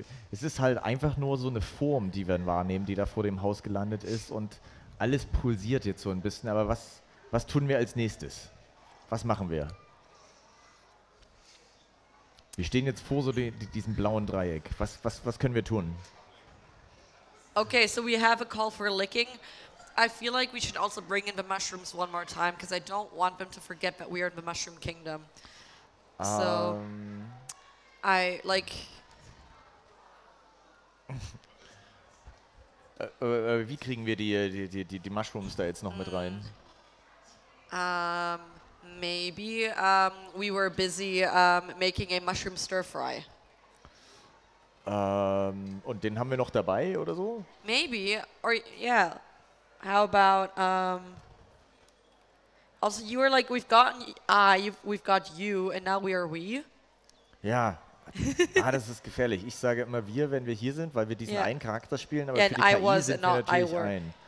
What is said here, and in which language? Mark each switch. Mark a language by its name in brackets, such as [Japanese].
[German] Es ist halt einfach nur so eine Form, die wir wahrnehmen, die da vor dem Haus gelandet ist und alles pulsiert jetzt so ein bisschen. Aber was tun wir als nächstes? Was machen wir? Wir stehen jetzt vor so diesem blauen Dreieck. Was können wir tun? [English] Okay, so we have a call for licking. I feel like we should also bring in the mushrooms one more time, because I don't want them to forget that we are in the mushroom kingdom. So, I like... [German] wie kriegen wir die Mushrooms da jetzt noch mit rein? [English] Maybe we were busy making a mushroom stir fry. [German] Und den haben wir noch dabei oder so? [English] Maybe, or yeah. How about, also you were like, we've got you and now we are we? [German] Ja. Ah, das ist gefährlich. Ich sage immer wir, wenn wir hier sind, weil wir diesen einen Charakter spielen, aber für die KI sind wir natürlich ein.